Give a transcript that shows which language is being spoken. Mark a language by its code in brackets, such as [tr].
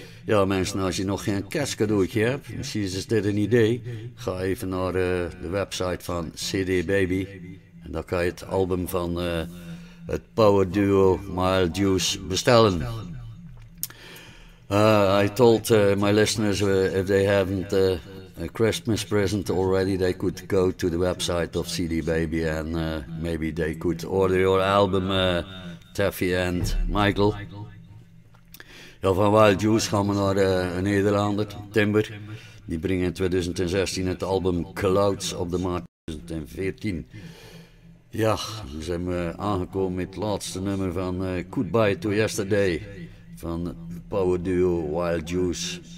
[nl] Ja mensen, als je nog geen kerstcadeautje hebt, misschien is dit een idee. Ga even naar de website van CD Baby en dan kan je het album van het power duo Wild Juice bestellen. [en] I told my listeners if they haven't a Christmas present already, they could go to the website of CD Baby and maybe they could order your album, Taffy and Michael. [nl] Ja, van Wild Juice gaan we naar een Nederlander, Timber. Die brengt in 2016 het album Clouds op de markt. 2014. Ja, we zijn aangekomen met het laatste nummer van Goodbye to Yesterday van power duo Wild Juice.